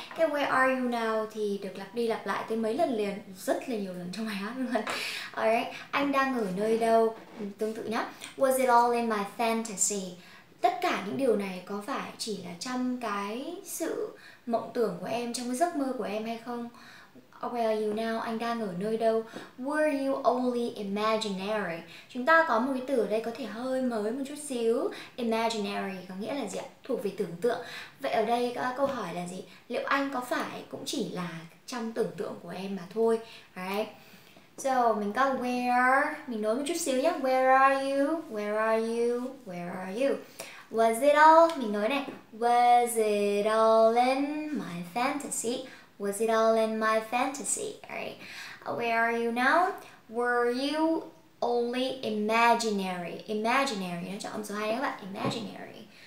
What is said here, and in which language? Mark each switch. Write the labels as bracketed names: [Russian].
[Vietnamese] Cái where are you now thì được lặp đi lặp lại tới mấy lần liền, rất là nhiều lần trong bài hát luôn. Alright, anh đang ở nơi đâu? Tương tự nhá. [English] Was it all in my fantasy? [Vietnamese] Tất cả những điều này có phải chỉ là trong cái sự mộng tưởng của em, trong cái giấc mơ của em hay không? [English] Where are you now? [Vietnamese] Anh đang ở nơi đâu? [English] Were you only imaginary? [Vietnamese] Chúng ta có một cái từ ở đây có thể hơi mới một chút xíu. Imaginary có nghĩa là gì ạ? Thuộc về tưởng tượng. Vậy ở đây câu hỏi là gì? Liệu anh có phải cũng chỉ là trong tưởng tượng của em mà thôi? Alright. So, mình có where. Mình nói một chút xíu nhé. [English] Where are you? Where are you? Where are you? Was it all? [Vietnamese] Mình nói này. [English] Was it all in my fantasy? Was it all in my fantasy? Alright. Where are you now? Were you only imaginary. Imaginary, 叫做还有吧, imaginary.